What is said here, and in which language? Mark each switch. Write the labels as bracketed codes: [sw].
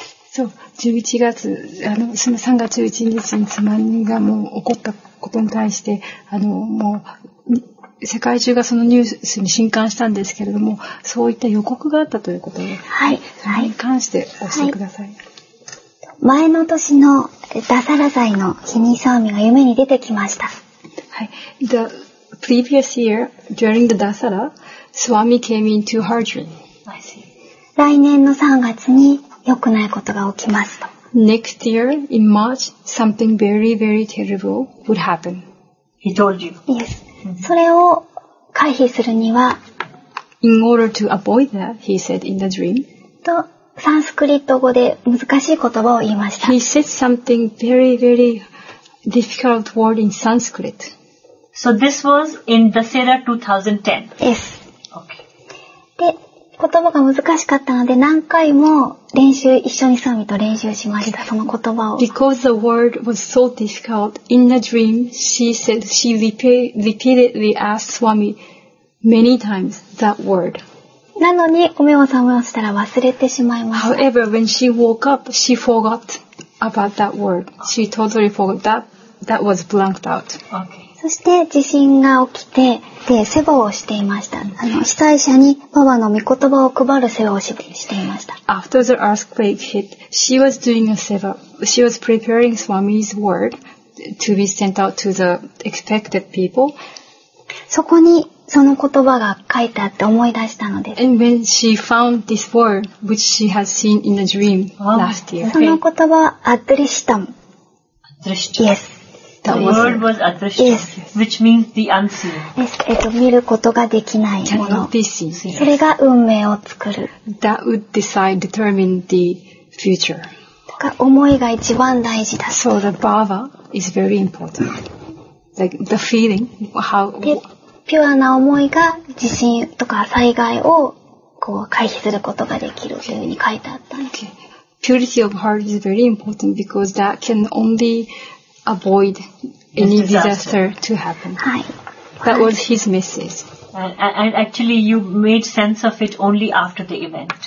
[ja] So, 11月、その3月11日に津波がもう起こったことに対して、もう、世界中がそのニュースに震撼したんですけれども、そういった予告があったということで、はい、それに関して教えてください。はい、前の年のダサラ祭の日に津波が夢に出てきました。 [en] はい、The previous year, during the Dasara, Swami came into her dream. I see. [ja] 来年の3月に良くないことが起きますと。 [en] Next year, in March, something very, very terrible would happen. He told you. Yes. [ja] それを回避するには、 [en] In order to avoid that, he said in the dream. [ja] とサンスクリット語で難しい言葉を言いました。 [en] He said something very, very difficult word in Sanskrit. So this was in Dasara 2010. Yes. Okay. [ja] で、言葉が難しかったので何回も練習一緒にサミと練習しました。その言葉を。 [en] Because the word was so difficult in the dream, she said she repeatedly asked Swami many times that word. なのにお目を覚ましたら忘れてしまいました。 However, when she woke up, she forgot about that word. She totally forgot that. That was blanked out. Okay. [ja] そして地震が起きて、で、世話をしていました。被災者にババの御言葉を配る世話をしていました。 [en] After the earthquake hit, she was doing a seva. She was preparing Swami's word to be sent out to the expected people. [ja] そこにその言葉が書いてあって思い出したのです。 [en] And when she found this word, which she has seen in a dream last year. [ja] その言葉はアドリシタム。アドリシタム。 [en] Yes. The word was adrishtam, yes. which means the unseen. Yes. [ja] 見ることができないもの。 [en] Yes. [ja] それが運命を作る。 [en] That would decide, determine the future. [ja] だから思いが一番大事だ。 [en] So the bhava is very important. Like the feeling, how... [ja] で、 P ピュアな思いが地震とか災害をこう回避することができるというふうに書いてあったんです。 [en] Okay. Purity of heart is very important because that can only avoid any disaster to happen. [ja] はい。 [en] That was his message. And actually, you made sense of it only after the event.